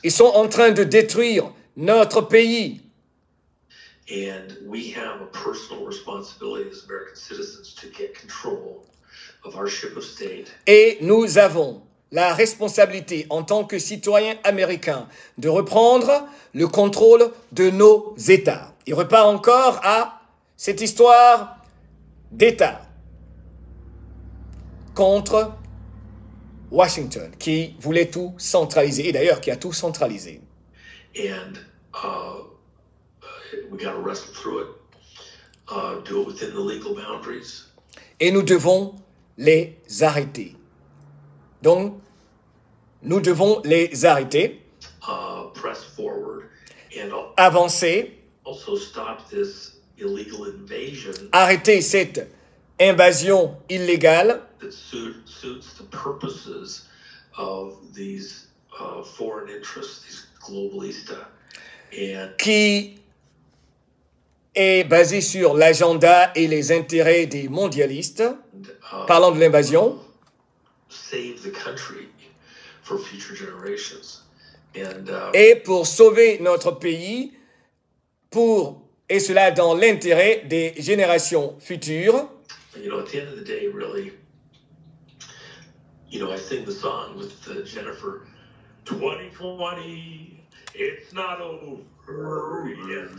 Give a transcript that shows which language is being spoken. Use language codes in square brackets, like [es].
[fr] Ils sont en train de détruire notre pays. [en] And we have a personal responsibility as American citizens to get control of our ship of state. [fr] Et nous avons la responsabilité en tant que citoyens américains de reprendre le contrôle de nos États. Il repart encore à cette histoire d'État contre Washington, qui voulait tout centraliser, et d'ailleurs qui a tout centralisé. [en] And we gotta wrestle through it, do it within the legal boundaries. [fr] Et nous devons les arrêter. Donc, nous devons les arrêter, [en] press forward, and [fr] avancer, [en] also stop this illegal invasion, [fr] arrêter cette invasion illégale [en] that suits the purposes of these foreign interests, these globalistas, and [fr] qui est basé sur l'agenda et les intérêts des mondialistes, parlant de l'invasion, [en] save the country for future generations, and [fr] et pour sauver notre pays, pour et cela dans l'intérêt des générations futures. [en] You know, at the end of the day, really, you know, I sing the song with Jennifer, 2020, it's not over yet.